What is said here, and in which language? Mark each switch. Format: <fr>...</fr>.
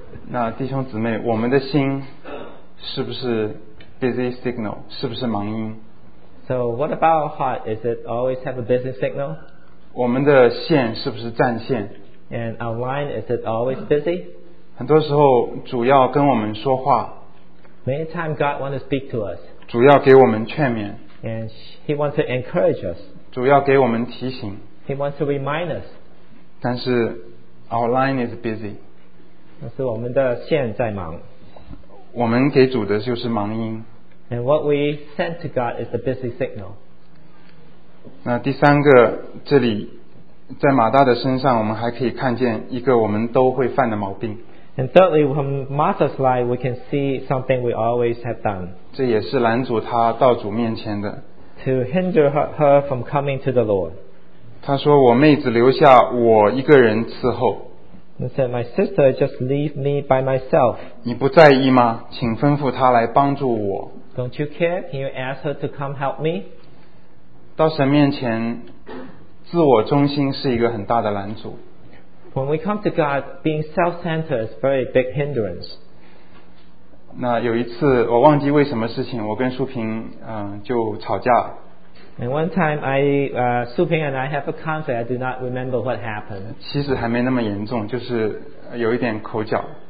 <zh>那弟兄姊妹，我们的心是不是</zh> <en>busy signal,</en> <zh>是不是忙音？</zh> <en>So what about our heart? Is it always have a busy signal?</en> <zh>我们的线是不是战线？</zh> <en>And our line, is it always busy?</en> <zh>很多时候主要跟我们说话，</zh> <en>Many times God wants to speak to us.</en> <zh>主要给我们劝勉。</zh> <en>And He wants to encourage us.</en> <zh>主要给我们提醒。</zh> <en>He wants to remind us. 但是 our line is busy.</en> <zh>但是我们的线在忙。我们给主的就是忙音。</zh> <en>And what we send to God is the busy signal.</en> <zh>那第三个，这里在马大的身上，我们还可以看见一个我们都会犯的毛病。</zh> <en>And thirdly, from Martha's life, we can see something we always have done.</en> <zh>这也是拦阻她到主面前的。</zh> <en>To hinder her from coming to the Lord.</en> <zh>她说，我妹子留下我一个人伺候。</zh> <en>He said, my sister just leave me by myself.</en> <zh>你不在意吗？请吩咐她来帮助我。</zh> <en>Don't you care? Can you ask her to come help me?</en> <zh>到神面前，自我中心是一个很大的拦阻。</zh> <en>When we come to God, being self-centered is a very big hindrance.</en> <zh>那有一次我忘记为什么事情，我跟素萍就吵架。</zh> <en>And one time, Su Ping and I have a conflict. I do not remember what happened.</en> <zh>其实还没那么严重，就是有一点口角。</zh>